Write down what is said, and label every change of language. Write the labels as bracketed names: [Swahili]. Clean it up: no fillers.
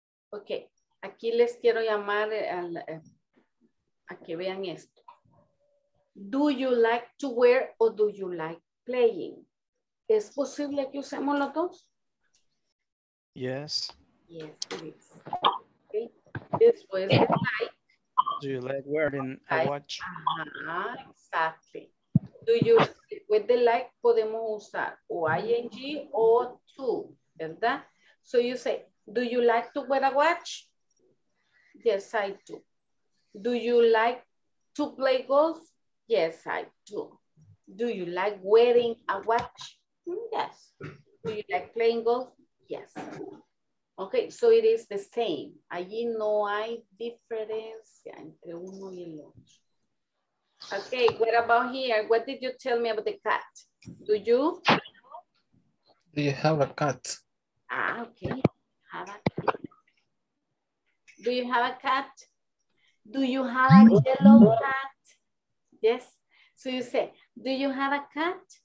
[Spanish] Okay, aquí les quiero llamar a que vean esto. [English] Do you like to wear or do you like playing? [Spanish] ¿Es posible que usemos los dos? [English] Yes. Yes, please. Okay. This was like. Do you like wearing a watch? [Spanish] Exactly. Do you, with the like, podemos usar o ing o to, ¿verdad? [English] So you say, do you like to wear a watch? Yes, I do. Do you like to play golf? Yes, I do. Do you like wearing a watch? Yes. Do you like playing golf? Yes. Okay, so it is the same. [Spanish] Allí no hay diferencia entre uno y el otro. [English] Okay, what about here? What did you tell me about the cat? Do you have a cat? Ah, okay. Have a cat. Do you have a cat? Do you have a yellow cat? Yes. So you say, do you have a cat?